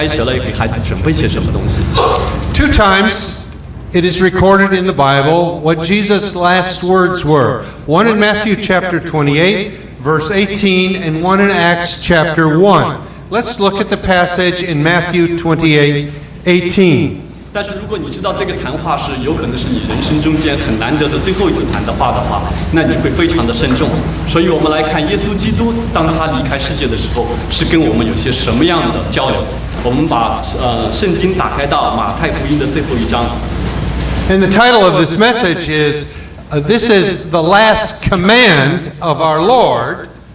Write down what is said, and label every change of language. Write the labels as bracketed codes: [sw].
[zh] 所以在我们日常的交谈中间，我们可以谈很多很琐碎的事情，比如说，如果你喜欢橄榄球，你就谈谈橄榄球；如果你是孩子的爸爸妈妈，你就会谈到哦，马上开学了，给孩子准备些什么东西。 [en] Two times it is recorded in the Bible what Jesus' last words were. One in Matthew chapter 28, verse 18, and one in Acts chapter 1. Let's look at the passage in Matthew 28:18. [zh] 但是如果你知道这个谈话是有可能是你人生中间很难得的最后一次谈的话的话，那你会非常的慎重。所以我们来看耶稣基督当他离开世界的时候，是跟我们有些什么样的交流？我们把圣经打开到马太福音的最后一章。 [en] And the title of this message is, this is the last command of our Lord.